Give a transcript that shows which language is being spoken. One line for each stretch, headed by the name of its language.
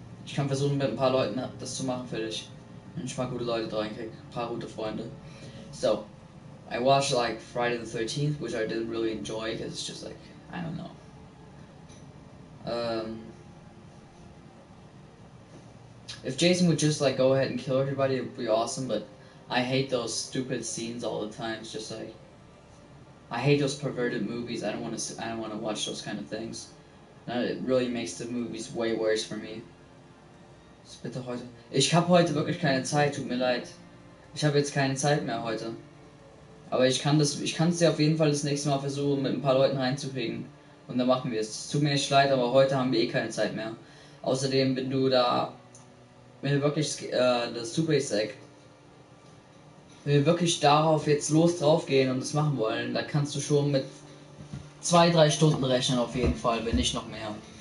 German: Ich kann versuchen, mit ein paar Leuten das zu machen für dich. Ich mag gute Leute da reinkrieg, ein paar gute Freunde.
English: So, I watched like Friday the 13th, which I didn't really enjoy, because it's just like, I don't know. If Jason would just like go ahead and kill everybody, it would be awesome, but I hate those stupid scenes all the time. It's just like, I hate those perverted movies. I don't want to watch those kind of things. And it really makes the movies way worse for me.
German: Bitte heute. Ich habe heute wirklich keine Zeit, tut mir leid. Ich habe jetzt keine Zeit mehr heute. Aber ich kann es dir auf jeden Fall das nächste Mal versuchen, mit ein paar Leuten reinzukriegen. Und dann machen wir es. Tut mir nicht leid, aber heute haben wir eh keine Zeit mehr. Außerdem, wenn wir wirklich darauf jetzt los drauf gehen und das machen wollen, dann kannst du schon mit 2-3 Stunden rechnen auf jeden Fall, wenn nicht noch mehr.